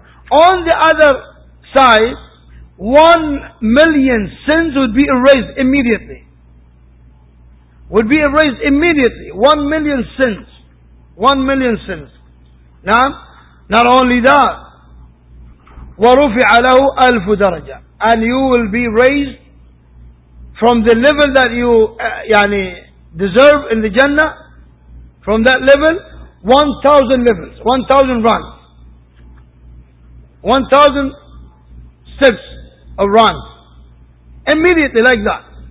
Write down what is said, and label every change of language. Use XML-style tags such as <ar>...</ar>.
<en>On the other side, 1,000,000 sins would be erased immediately. Would be erased immediately. 1,000,000 sins. 1,000,000 sins.</en> <ar>نعم.</ar> <en>Not only that,</en> <ar>ورفع له ألف درجة.</ar> <en>And you will be raised from the level that you</en> <ar>يعني</ar> <en>deserve in the Jannah, from that level 1,000 levels, 1,000 runs, 1,000 steps of run, immediately like that.</en>